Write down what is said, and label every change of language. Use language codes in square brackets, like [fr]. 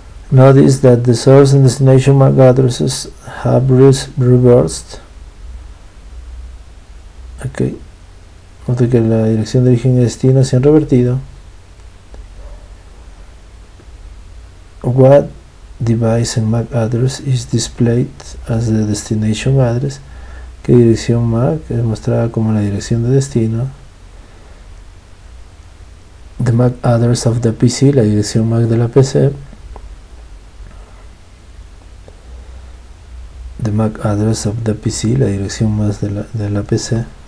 [en] Notice that the source and destination MAC addresses have reversed. Okay. [es] Note que la dirección de origen y destino se han revertido. [en] What device and MAC address is displayed as the destination address? [es] ¿Qué dirección MAC es mostrada como la dirección de destino? [en] The MAC address of the PC, [es] la dirección MAC de la PC. [en] The MAC address of the PC, [es] la dirección MAC de la PC.